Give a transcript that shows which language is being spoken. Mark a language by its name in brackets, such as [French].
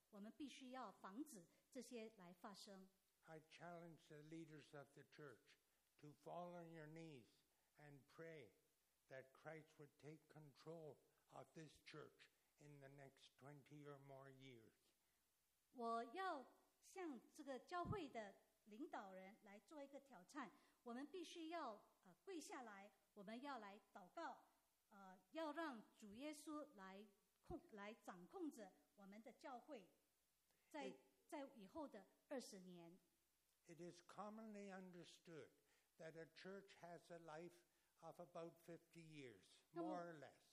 [Chinese] 我们必须要防止这些来发生。 [English] I challenge the leaders of the church to fall on your knees and pray that Christ would take control of this church. In the next 20 or more years, [Chinese] 我要向这个教会的领导人来做一个挑战。我们必须要跪下来，我们要来祷告，要让主耶稣来掌控着我们的教会，在以后的20年。 [English] It is commonly understood that a church has a life of about 50 years, more or less.